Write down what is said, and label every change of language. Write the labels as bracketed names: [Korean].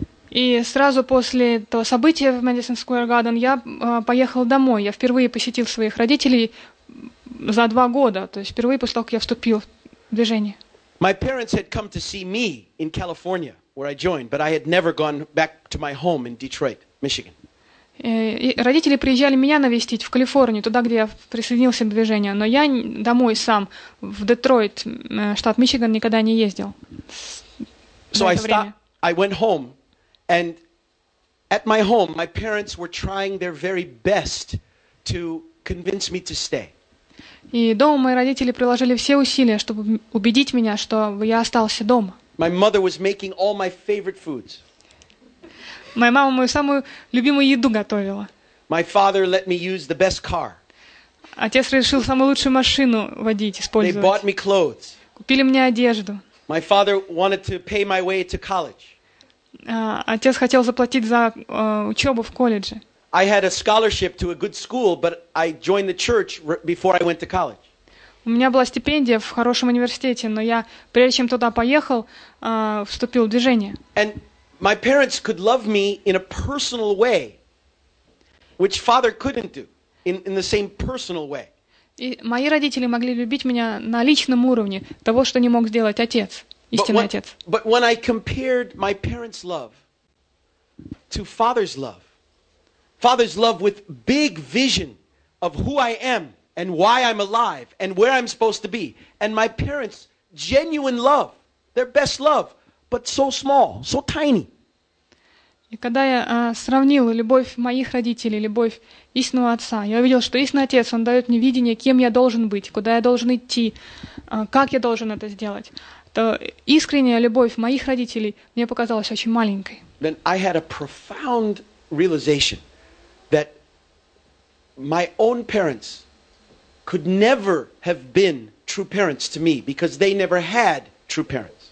[Russian] И сразу после того события в Madison Square Garden я поехал домой. Я впервые посетил своих родителей за 2 года, то есть впервые после того, как я вступил в движение. [English] My parents had come to see me in California, where I joined, but I had never gone back to my home in Detroit, Michigan. [Russian] Родители приезжали меня навестить в Калифорнию, туда, где я присоединился к движению, но я домой сам, в Детройт, штат Мичиган, никогда не ездил. [English] So I went home. And at my home, my parents were trying their very best to convince me to stay. [Russian] И дома мои родители приложили все усилия, чтобы убедить меня, что я остался дома. [English] My mother was making all my favorite foods. [Russian] Моя мама мою самую любимую еду готовила. [English] My father let me use the best car. [Russian] Отец разрешил самую лучшую машину водить, использовать. [English] They bought me clothes. [Russian] Купили мне одежду. [English] My father wanted to pay my way to college. [Russian] Отец хотел заплатить за учебу в колледже. [English] I had a scholarship to a good school, but I joined the church before I went to college. [Russian] У меня была стипендия в хорошем университете, но я, прежде чем туда поехал, вступил в движение. [English] And my parents could love me in a personal way, which father couldn't do, in the same personal way. [Russian] И мои родители могли любить меня на личном уровне, того, что не мог сделать отец. [English] But when I compared my parents' love to father's love with big vision of who I am and why I'm alive and where I'm supposed to be, and my parents' genuine love, their best love, but so small, so tiny. [Russian] И когда я сравнил любовь моих родителей, любовь истинного отца, я увидел, что истинный отец, он дает мне видение, кем я должен быть, куда я должен идти, как я должен это сделать. То искренняя любовь моих родителей мне показалась очень маленькой. [English] Then I had a profound realization that my own parents could never have been true parents to me because they never had true parents.